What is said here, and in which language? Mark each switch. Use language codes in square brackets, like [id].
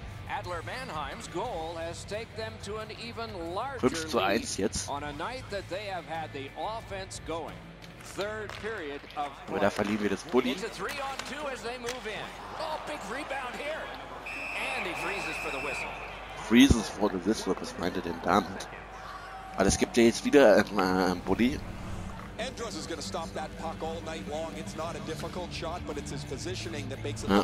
[en] Adler Mannheim's goal has taken them to an even larger lead on a night that they have had the offense going. Third period of play. [de] Da verlieren wir das Bulli. [en] It's a 3-on-2 as they move in. Oh, big rebound here. And he freezes for the whistle. Freezes for the whistle, [de] was meint denn damit? Aber es gibt ja jetzt wieder ein Bulli. [en] Andros is going to stop that puck all night long. It's not a difficult shot, but it's his positioning that makes it so easy.